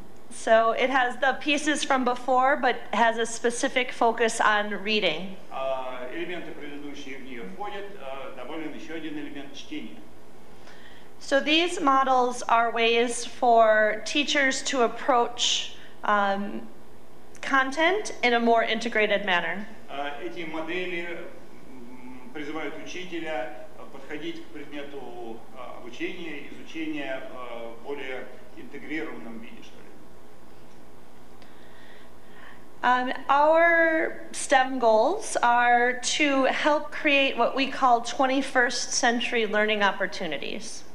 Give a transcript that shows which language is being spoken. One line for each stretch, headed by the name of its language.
English: So it has the pieces from before, but has a specific focus on reading.
Russian: Элементы предыдущие в нее входят, добавлен еще один элемент чтения.
English: So these models are ways for teachers to approach content in a more integrated manner.
Russian: Эти модели призывают учителя подходить к предмету обучения, изучения в более интегрированном виде.
English: Our STEM goals are to help create what we call 21st century learning opportunities.